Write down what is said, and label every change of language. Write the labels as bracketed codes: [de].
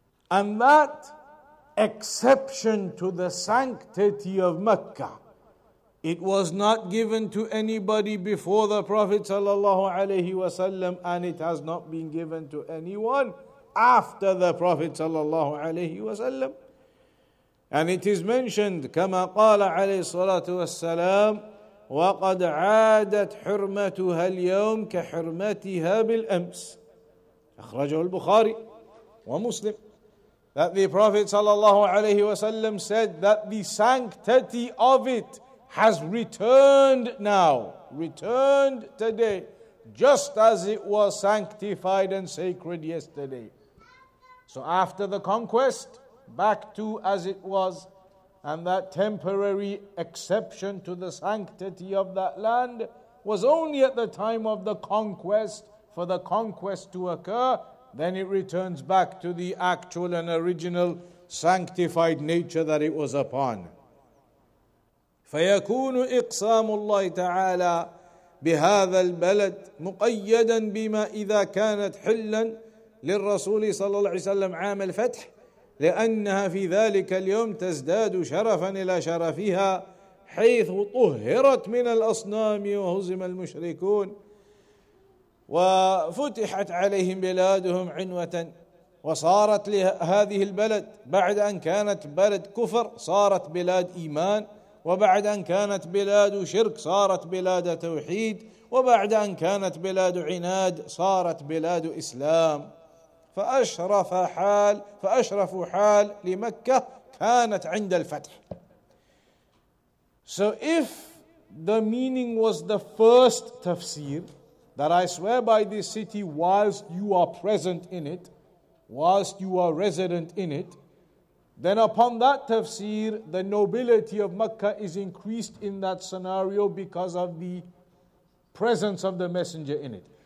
[en] And that exception to the sanctity of Mecca, it was not given to anybody before the Prophet sallallahu alaihi wasallam, and it has not been given to anyone after the Prophet sallallahu alaihi wasallam. And it is mentioned, [ar] كما قال عليه الصلاة والسلام وقد عادت حرمتها اليوم كحرمتها بالأمس. أخرجه البخاري ومسلم. [en] That the Prophet sallallahu alaihi wasallam said that the sanctity of it has returned now, returned today, just as it was sanctified and sacred yesterday. So after the conquest, back to as it was, and that temporary exception to the sanctity of that land was only at the time of the conquest, for the conquest to occur, then it returns back to the actual and original sanctified nature that it was upon. [ar] فيكون إقسام الله تعالى بهذا البلد مقيدا بما إذا كانت حلا للرسول صلى الله عليه وسلم عام الفتح لأنها في ذلك اليوم تزداد شرفا إلى شرفها حيث طهرت من الأصنام وهزم المشركون وفتحت عليهم بلادهم عنوة وصارت لهذه البلد بعد أن كانت بلد كفر صارت بلاد إيمان وبعد أن كانت بلاد شرك صارت بلاد توحيد وبعد أن كانت بلاد عناد صارت بلاد إسلام فأشرف حال لمكة كانت عند الفتح. [en] So if the meaning was the first tafsir, that I swear by this city whilst you are present in it, whilst you are resident in it, then upon that tafsir, the nobility of Makkah is increased in that scenario because of the presence of the messenger in it.